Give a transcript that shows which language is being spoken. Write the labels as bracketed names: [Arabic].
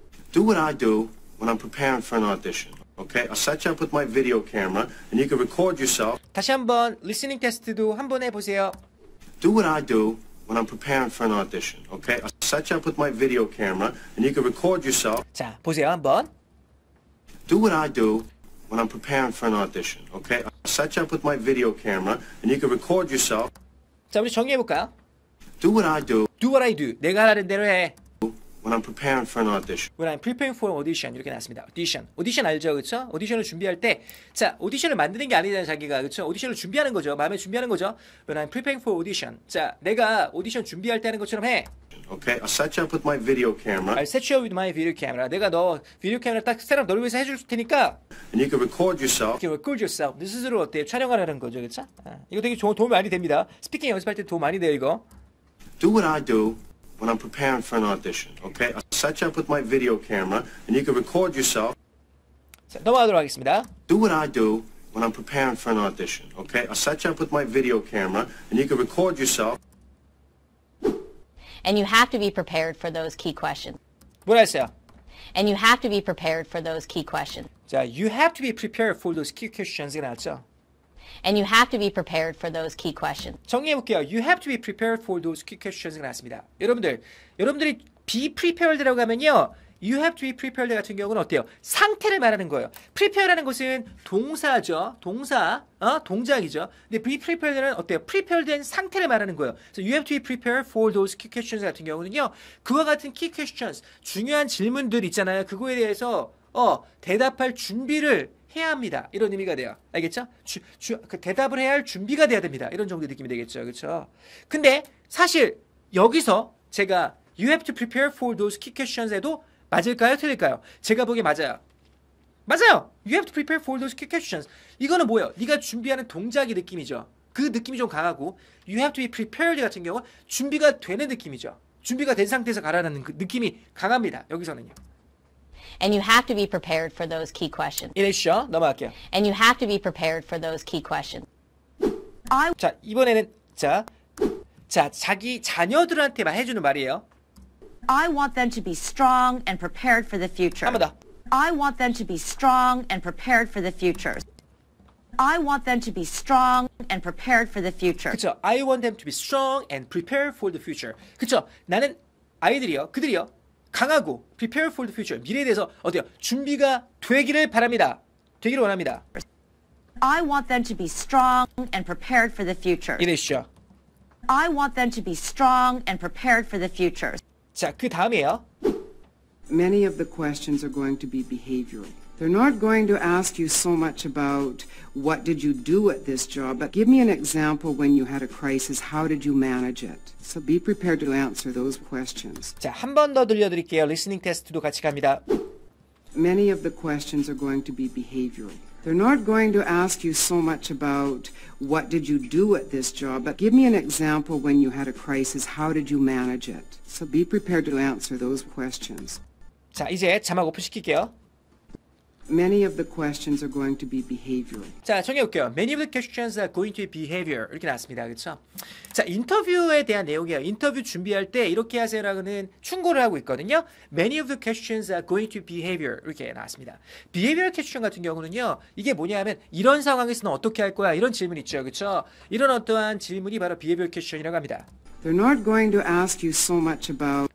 [English] Do what I do when I'm preparing for an audition. Okay, I'll set you up with my video camera, and you can record yourself. [Korean] 다시 한번 리스닝 테스트도 한번 해보세요. [English] Do what I do when I'm preparing for an audition. Okay, I'll set you up with my video camera, and you can record yourself. [Korean] 자, 보세요 한번. [English] Do what I do when I'm preparing for an audition. Okay, I'll set you up with my video camera, and you can record yourself. [Korean] 자, 우리 정리해볼까요? [English] Do what I do. Do what I do. [Korean] 내가 하라는 대로 해. [English] When I'm preparing for an audition. When I'm preparing for an audition. [Korean] 이렇게 나왔습니다. [English] Audition. Audition [Korean] 알죠? 그렇죠? 오디션을 준비할 때 자, 오디션을 만드는 게 아니잖아요, 자기가. 그렇죠? 오디션을 준비하는 거죠. 마음에 준비하는 거죠. [English] When I'm preparing for audition. [Korean] 자, 내가 오디션 준비할 때 하는 것처럼 해. [English] Okay, I'll set you up with my video camera. I'll set you up with my video camera. [Korean] 내가 너 비디오 카메라 딱 세트업 너를 위해서 해줄 테니까. [English] And you can record yourself. You can record yourself. [Korean] 너 스스로 어때요? 촬영하라는 거죠, 그렇죠? 아, 이거 되게 좋은 도움이 많이 됩니다. 스피킹 연습할 때 도움 많이 돼요, 이거. [English] Do what I do when I'm preparing for an audition, okay? I'll set you up with my video camera, and you can record yourself. [Korean] 자, 넘어가도록 하겠습니다. [English] Do what I do when I'm preparing for an audition, okay? I'll set you up with my video camera, and you can record yourself. And you have to be prepared for those key questions. [Korean] 뭐라 했어요? [English] And you have to be prepared for those key questions. 자, you have to be prepared for those key questions. [Korean] 이게 나왔죠? [English] And you have to be prepared for those key questions. [Korean] 정리해볼게요. [English] You have to be prepared for those key questions. [Korean] 이게 나왔습니다. 여러분들, 여러분들이 be prepared라고 하면요. [English] You have to be prepared [Korean] 같은 경우는 어때요? 상태를 말하는 거예요. Prepare라는 것은 동사죠. 동사, 동작이죠. 근데 be prepared는 어때요? Prepared된 상태를 말하는 거예요. [English] So you have to be prepared for those key questions [Korean] 같은 경우는요. 그와 같은 key questions, 중요한 질문들 있잖아요. 그거에 대해서 대답할 준비를 해야 합니다. 이런 의미가 돼요. 알겠죠? 대답을 해야 할 준비가 돼야 됩니다. 이런 정도의 느낌이 되겠죠. 그렇죠? 근데 사실 여기서 제가 [English] you have to prepare for those key questions [Korean] 해도 맞을까요? 틀릴까요? 제가 보기에 맞아요. 맞아요! [English] You have to prepare for those key questions. [Korean] 이거는 뭐예요? 네가 준비하는 동작의 느낌이죠. 그 느낌이 좀 강하고 [English] You have to be prepared [Korean] 같은 경우 준비가 되는 느낌이죠. 준비가 된 상태에서 가라는 그 느낌이 강합니다. 여기서는요. [English] And you have to be prepared for those key questions. [Korean] 이랬죠? 넘어갈게요. [English] And you have to be prepared for those key questions. [Korean] 자, 이번에는 자 자기 자녀들한테 말 해주는 말이에요. [English] I want them to be strong and prepared for the future. [Korean] 한 번 더. [English] I want them to be strong and prepared for the future. I want them to be strong and prepared for the future. [Korean] 그렇죠. [English] I want them to be strong and prepared for the future. [Korean] 그렇죠. 나는 아이들이요. 그들이요. 강하고 [English] prepare for the future. [Korean] 미래에 대해서 어때요? 준비가 되기를 바랍니다. 되기를 원합니다. [English] I want them to be strong and prepared for the future. [Korean] 이래시죠. [English] I want them to be strong and prepared for the future. [Korean] 자, 그 다음이에요. [English] Many of the questions are going to be behavioral. They're not going to ask you so much about what did you do at this job, but give me an example when you had a crisis. How did you manage it? So be prepared to answer those questions. [Korean] 자, 한 번 더 들려드릴게요. Listening test도 같이 갑니다. [English] Many of the questions are going to be behavioral. They're not going to ask you so much about what did you do at this job, but give me an example when you had a crisis. How did you manage it? So be prepared to answer those questions. [Korean] 자, 이제 자막 오픈 시킬게요. [English] Many of the questions are going to be behavioral. [Korean] 자, 정해볼게요. [English] Many of the questions are going to be behavior. [Korean] 이렇게 나왔습니다. 그렇죠? 자, 인터뷰에 대한 내용이에요. 인터뷰 준비할 때 이렇게 하세요라고는 충고를 하고 있거든요. [English] Many of the questions are going to be behavior. [Korean] 이렇게 나왔습니다. Behavioral question 같은 경우는요. 이게 뭐냐면 이런 상황에서는 어떻게 할 거야? 이런 질문 있죠. 그렇죠? 이런 어떠한 질문이 바로 behavioral question이라고 합니다. [English] They're not going to ask you so much about